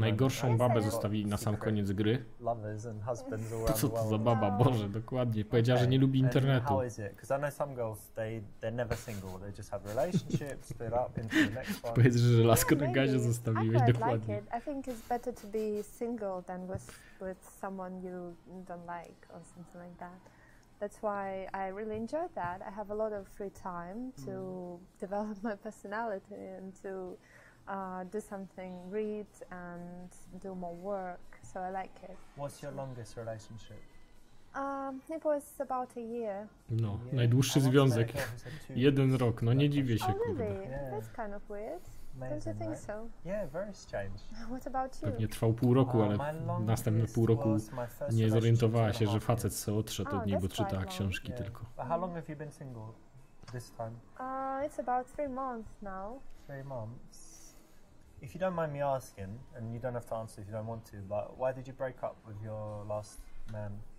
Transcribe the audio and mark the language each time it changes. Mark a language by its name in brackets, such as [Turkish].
[Polish] Najgorszą babę zostawili na sam koniec gry. [English] Lovers and husbands all around the world. [Polish] Co to za baba, Boże, dokładnie. Powiedziała, że nie lubi internetu. [English] How is it? Because I know some girls, they're never single. They just have relationships, split up into the next one. [Polish] Powiedz, że laskę na gazie zostawiłeś, dokładnie. [English] I think it's better to be single than with someone you don't like or something like that. That's why I really enjoy that. I have a lot of free time to develop my personality and to do something, read and do more work, so I like it. What's your longest relationship? It was about a year. [Polish] No, yeah. Najdłuższy związek. Jeden rok, no nie dziwię się, kurde. [English] Oh, really? Yeah. That's kind of weird. Amazing, don't you think right? so? Yeah, very strange. What about you? [Polish] Pewnie trwał pół roku, ale następne pół roku nie zorientowała się, że facet se odszedł od niej, bo czyta książki tylko. [English] But how long have you been single this time? It's about 3 months now. 3 months? If you don't mind me asking, and you don't have to answer if you don't want to, but why did you break up with your last man?